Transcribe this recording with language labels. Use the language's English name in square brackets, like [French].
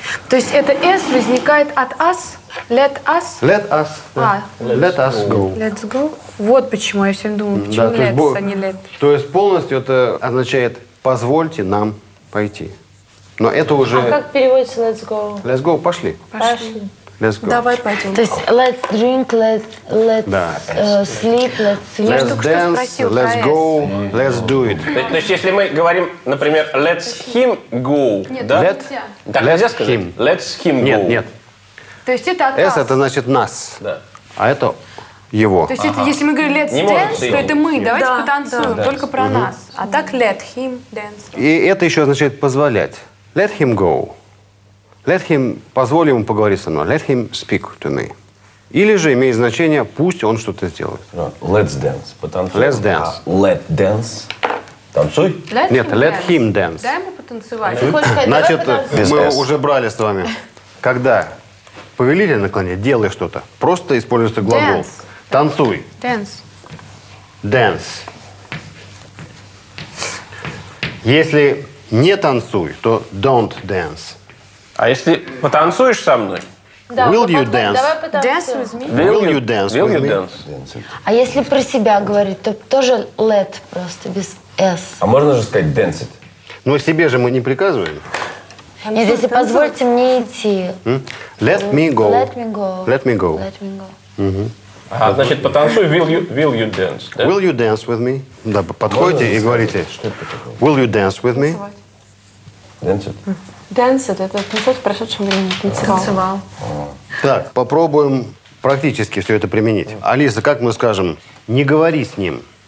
[Russian] То есть это S возникает от us? [English] Let us? Let us. Let us go. Let's go. [Russian] Вот почему я всем думаю, почему да, let's, а не let. То есть полностью это означает «позвольте нам пойти». Но это уже... А как переводится let's go? [English] Let's go. [Russian] Пошли. Пошли. [English] Let's go. [Russian] Давай пойдем. То есть [English] let's drink, let's sleep, let's sleep. Let's dance, [Russian] спросил, [English] let's go, let's do it. [Russian] То есть если мы говорим, например, [English] let's him go, [Russian] нет, да? Нет, [English] let, так let's [Russian] нельзя сказать? [English] Him. Let's him go. [Russian] Нет, нет. То есть это от нас. S – это значит нас. Да. А это его. То есть это, если мы говорим let's dance, то это мы. Давайте потанцуем, да. Только про нас. А так [English] let him dance. [Russian] И это еще означает позволять. [English] Let him go. Let him, [Russian] позволь ему поговорить со мной. [English] Let him speak to me. [Russian] Или же имеет значение, пусть он что-то сделает. [English] No, let's dance. [Russian] Потанцуй. [English] Let's dance. Let dance. [Russian] Танцуй. [English] Let [Russian] Нет, [English] him let dance. Him dance. [Russian] Дай ему потанцевать. Сказать, значит, мы уже брали с вами, когда повелитель наклоняет, делай что-то. Просто используется глагол. [English] Dance. [Russian] Танцуй. [English] Dance. Dance. [Russian] Если... Не танцуй, то [English] don't dance. [Russian] А если потанцуешь со мной? Да, [English] will you dance? Dance with me. Will you dance? Will you dance? [Russian] А если про себя говорить, то тоже let просто без s. А можно же сказать [English] dance it? [Russian] Ну себе же мы не приказываем. Нет, если позвольте мне идти. [English] Let me go. Let me go. Let me go. Let me go. [Russian] А, значит, потанцуй, [English] will you dance? [Russian] Да? [English] Will you dance with me? [Russian] Да, подходите и говорите, [English] will you dance with me? Dance it. Dance it, [Russian] это танцевать в прошедшем времени, танцевал. Так, попробуем практически все это применить. Алиса, как мы скажем, не говори с ним?